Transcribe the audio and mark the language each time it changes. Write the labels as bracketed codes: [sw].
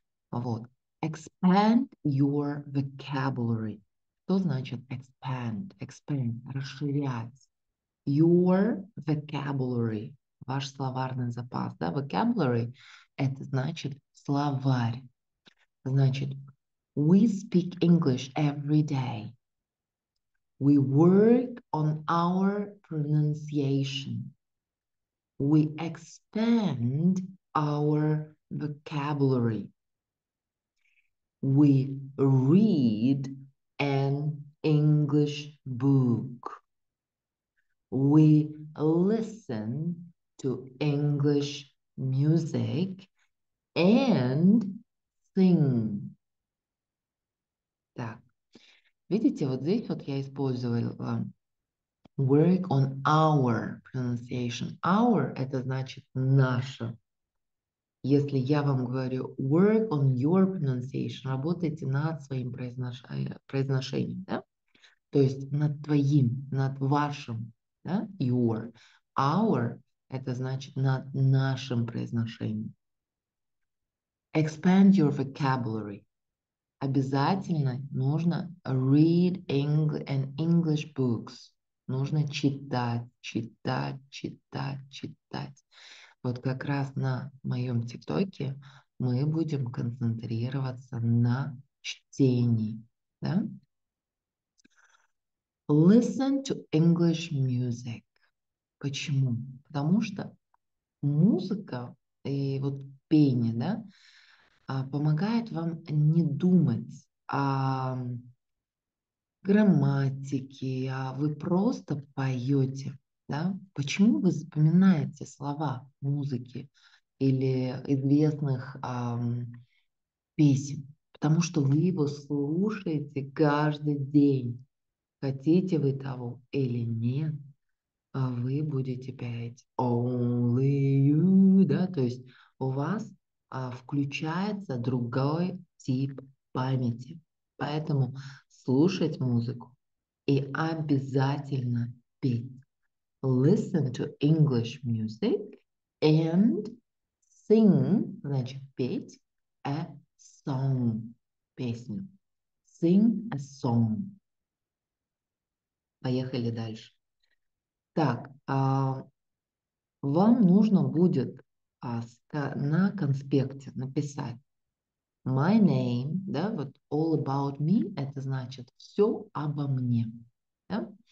[en] Вот. Expand your vocabulary. [ru] Что значит expand? Expand – расширять. [en] Your vocabulary [ru] – ваш словарный запас, да? Vocabulary – это значит словарь. Значит, [en] we speak English every day. We work on our pronunciation. We expand our vocabulary. We read an English book. We listen to English music and sing. [ru] Так, видите, вот здесь вот я использовала [en] work on our pronunciation. [ru] Our – это значит наше. Если я вам говорю [en] work on your pronunciation, [ru] работайте над своим произношением, да? То есть над твоим, над вашим, да? [en] Your. [ru] Our – это значит над нашим произношением. [en] Expand your vocabulary. [ru] Обязательно нужно [en] read and English books. [ru] Нужно читать, читать, читать, читать. Вот как раз на моем ТикТоке мы будем концентрироваться на чтении. Да? [en] Listen to English music. [ru] Почему? Потому что музыка и вот пение, да, помогает вам не думать о грамматики, а вы просто поете, да? Почему вы запоминаете слова музыки или известных песен? Потому что вы его слушаете каждый день. Хотите вы того или нет, вы будете петь [en] only you, [ru] да? То есть у вас включается другой тип памяти. Поэтому слушать музыку и обязательно петь. [en] Listen to English music and sing, [ru] значит петь, [en] a song, [ru] песню. [en] Sing a song. [ru] Поехали дальше. Так, вам нужно будет на конспекте написать [en] my name, [ru] да, вот [en] all about me, [ru] это значит все обо мне. Да?